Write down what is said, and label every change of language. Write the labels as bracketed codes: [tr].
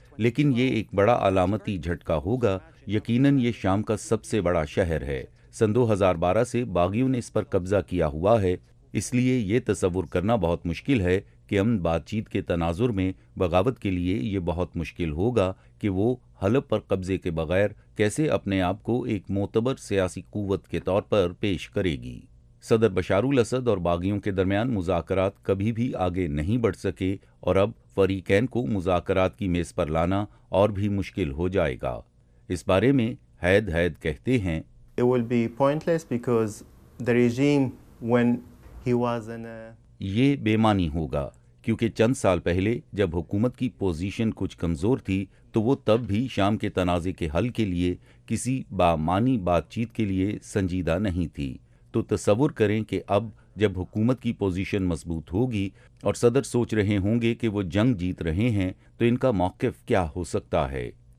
[ur] لیکن یہ ایک بڑا علامتی جھٹکا ہوگا۔ یقیناً یہ شام کا سب سے بڑا شہر ہے۔ سن 2012 سے باغیوں نے اس پر قبضہ کیا ہوا ہے، اس لیے یہ تصور کرنا بہت مشکل ہے کہ امن بات چیت کے تناظر میں بغاوت کے لیے یہ بہت مشکل ہوگا کہ وہ حلب پر قبضے کے بغیر کیسے اپنے آپ کو ایک معتبر سیاسی قوت کے طور پر پیش کرے گی۔ صدر بشار الاسد اور باغیوں کے درمیان مذاکرات کبھی بھی آگے نہیں بڑھ سکے، اور اب فریقین کو مذاکرات کی میز پر لانا اور بھی مشکل ہو جائے گا۔ اس بارے میں حید کہتے ہیں، [en] It will be pointless because the regime when he was in a [ur] یہ بے معنی ہوگا، کیونکہ چند سال پہلے جب حکومت کی پوزیشن کچھ کمزور تھی تو وہ تب بھی شام کے تنازع کے حل کے لیے کسی بامعنی بات چیت کے لیے سنجیدہ نہیں تھی۔ تو تصور کریں کہ اب جب حکومت کی پوزیشن مضبوط ہوگی اور صدر سوچ رہے ہوں گے کہ وہ جنگ جیت رہے ہیں تو ان کا موقف کیا ہو سکتا ہے،